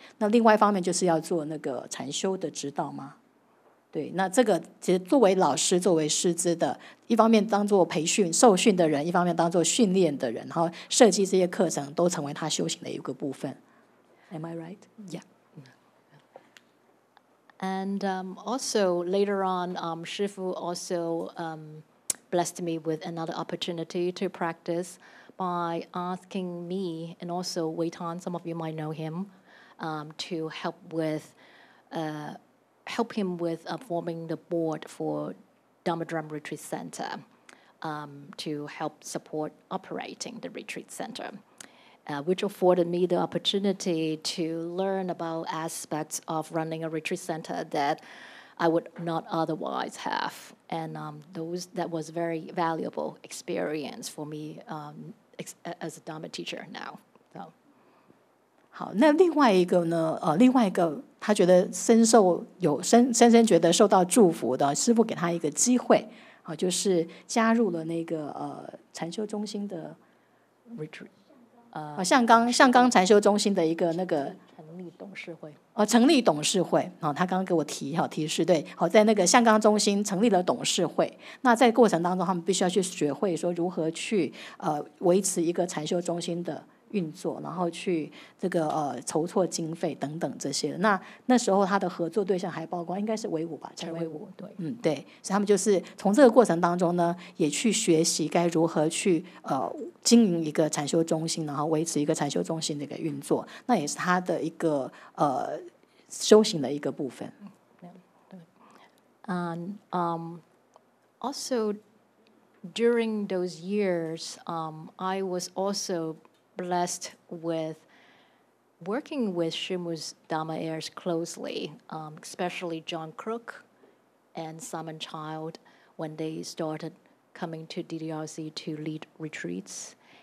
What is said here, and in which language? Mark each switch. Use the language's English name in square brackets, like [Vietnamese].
[Chinese] 那另外一方面就是要做那个禅修的指导吗？对，那这个其实作为老师，作为师资的，一方面当做培训受训的人，一方面当做训练的人，然后设计这些课程，都成为他修行的一个部分。 [English] Am I right? Yeah. And also later on, Shifu also blessed me with another opportunity to practice by asking me and also Wei Tan, some of you might know him, to help with. Help him with forming the board for Dharma Drum Retreat Center to help support operating the retreat center, which afforded me the opportunity to learn about aspects of running a retreat center that I would not otherwise have. And that was a very valuable experience for me as a Dharma teacher now. [Chinese] 好，那另外一个呢？另外一个他觉得深深觉得受到祝福的师父给他一个机会，就是加入了那个禅修中心的 [English] retreat， [Chinese] 向刚禅修中心的一个那个成立董事会。成立董事会，他刚刚给我提示，对，好，在那个向刚中心成立了董事会。那在过程当中，他们必须要去学会说如何去维持一个禅修中心的。运作，然后去这个筹措经费等等这些。那时候他的合作对象还包括应该是维吾吧，陈维吾，对，嗯，对，所以他们就是从这个过程当中呢，也去学习该如何去经营一个禅修中心，然后维持一个禅修中心的一个运作，那也是他的一个修行的一个部分。 [English] And also during those years, I was also blessed with working with Shimu's Dhamma heirs closely, especially John Crook and Simon Child when they started coming to DDRC to lead retreats.